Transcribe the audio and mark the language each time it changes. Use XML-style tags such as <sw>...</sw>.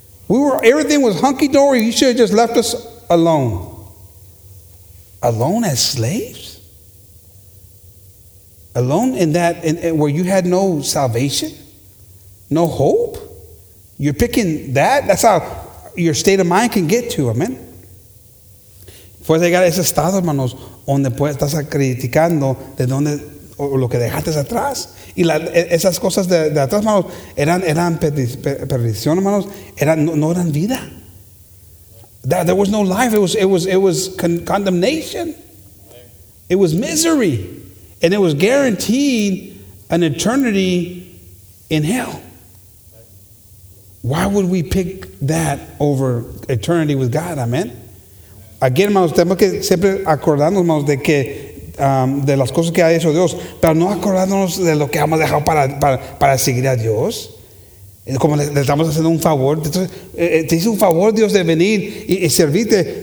<en>Everything was hunky-dory. You should have just left us alone. Alone as slaves? Alone in that, where you had no salvation? No hope? You're picking that? That's how your state of mind can get to, amen?</en> <es>Fue llegar a ese estado, hermanos, donde estás criticando de donde, o lo que dejaste atrás. Y esas cosas de atrás, hermanos, eran perdición, hermanos. No eran vida.</es> <en>There was no life. It was condemnation. It was misery. And it was guaranteed an eternity in hell. Why would we pick that over eternity with God? Amen.</en> <es>Again, hermanos, tenemos que siempre acordarnos, hermanos, de que de las cosas que ha hecho Dios, pero no acordándonos de lo que hemos dejado para seguir a Dios. Como le estamos haciendo un favor. Entonces, te hizo un favor Dios de venir y servirte.</es>